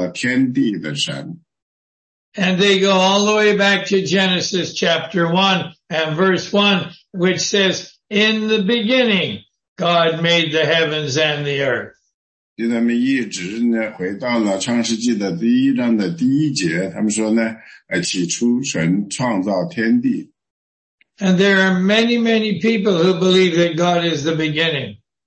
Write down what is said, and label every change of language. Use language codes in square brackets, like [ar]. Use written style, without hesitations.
[zh] 我们中间很多人说呢，我知道神是谁，因为神就是那位创造了天地的神。 [en] And they go all the way back to Genesis chapter 1 and verse 1, which says, in the beginning, God made the heavens and the earth. [zh] 他们一直回到了创世纪的第一章的第一节，他们说呢，起初神创造天地。 [en] And there are many, many people who believe that God is the beginning.